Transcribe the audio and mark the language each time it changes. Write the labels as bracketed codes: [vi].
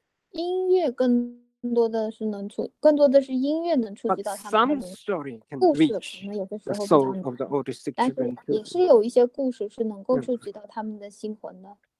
[zh] 音乐更多的是音乐能触及到他们的。 [en] But some story can reach the soul of the autistic children. [zh] 也是有一些故事是能够触及到他们的心魂的。